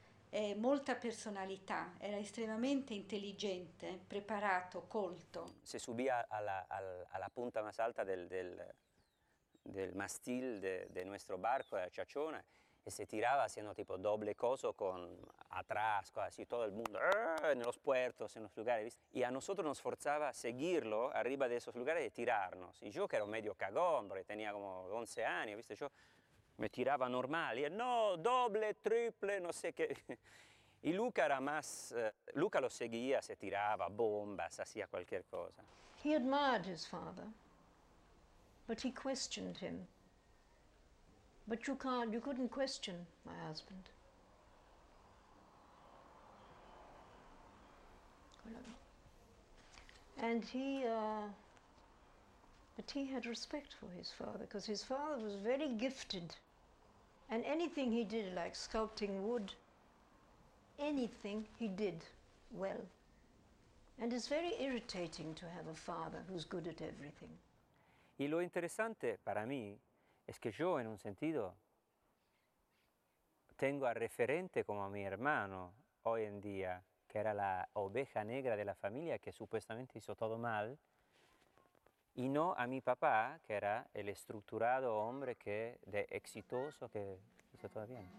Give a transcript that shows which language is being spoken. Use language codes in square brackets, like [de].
[it] E molta personalità, era estremamente intelligente, preparato, colto. [es] Se subì alla punta más alta del mastil de nuestro barco, la Chachona, e se tiraba haciendo tipo doble coso con atrás, casi todo el mundo, en los puertos, en los lugares, ¿viste? Y a nosotros nos forzaba a seguirlo arriba de esos lugares y tirarnos. Y yo, que era medio cagón, porque tenía como 11 años, ¿viste? Yo, me tiraba normal, y no, doble, triple, no sé qué. Y Luca era más, Luca lo seguía, se tiraba bombas, hacía cualquier cosa. [en] He admired his father, but he questioned him. But you can't, you couldn't question my husband. And he, but he had respect for his father, because his father was very gifted. And anything he did, like sculpting wood, anything he did well. And it's very irritating to have a father who's good at everything. [es] Y lo interesante para mí es que yo, en un sentido, tengo a referente como a mi hermano hoy en día, que era la oveja negra de la familia que supuestamente hizo todo mal, y no a mi papá, que era el estructurado hombre que, de exitoso, que hizo todo bien.